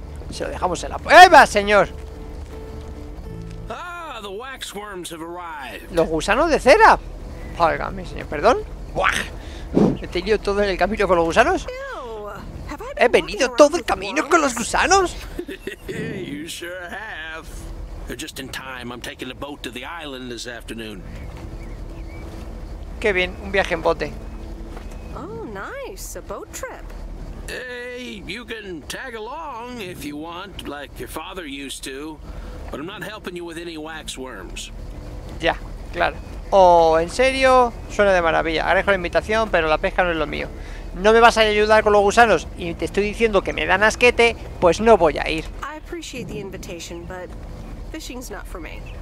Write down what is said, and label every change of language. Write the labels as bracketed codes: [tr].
[es] Se lo dejamos en la prueba, señor. [en] The waxworms have arrived. [es] ¿Los gusanos de cera? Válgame, señor, perdón. ¡Buah! ¿He tenido todo el camino con los gusanos? ¿He venido todo el camino con los gusanos? [en] You sure have. Just in time, I'm taking a boat to the island this afternoon. [es] Qué bien, un viaje en bote. [en] Oh, nice, a boat trip. Hey, you can tag along if you want, like your father used to. But I'm not helping you with any waxworms. [es] Ya, claro. Oh, ¿en serio? Suena de maravilla. Agradezco la invitación, pero la pesca no es lo mío. ¿No me vas a ayudar con los gusanos? Y te estoy diciendo que me dan asquete, pues no voy a ir. [en] I appreciate the invitation, but fishing's not for me.